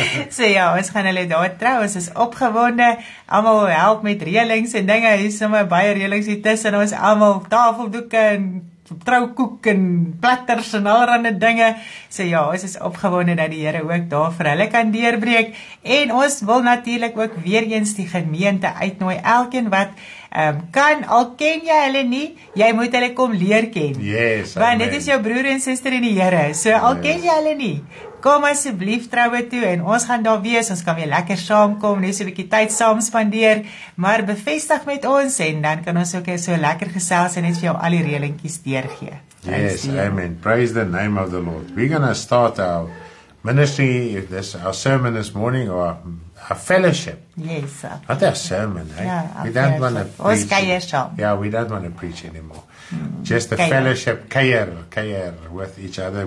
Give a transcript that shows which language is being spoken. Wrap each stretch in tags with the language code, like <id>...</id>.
<af>So ja, ons gaan hulle daar trou. Ons is opgewonde. Almal help met reëlings en dinge. Hier is sommer baie reëlings hier tussen ons almal. Tafeldoeke en troukoek en platters en allerhande dinge. So ja, ons is opgewonde dat die Here ook daar vir hulle kan deurbreek. En ons wil natuurlik ook weer eens die gemeente uitnooi. Elkeen wat kan, al ken jy hulle nie, jy moet hulle kom leer ken.</af> <en>Yes,</en> <af>want dit is jou broer en suster in die Here. So al yes. ken jy hulle nie, kom asseblief troue toe en ons gaan daar wees. Ons kan weer lekker saamkom, net so 'n bietjie tyd saam spandeer, maar bevestig met ons en dan kan ons ook so lekker gesels en net vir jou al die reëlingkies deurgee.</af> <en>Yes, amen. Praise the name of the Lord. We're going to start our ministry, this our sermon this morning, or our fellowship. Yes, sir. Not our sermon, eh? Yeah, we don't want to preach.</en> <af>Ons kajer saam.</af> <en>Yeah, we don't want to preach anymore. Just the fellowship, kajer with each other.</en>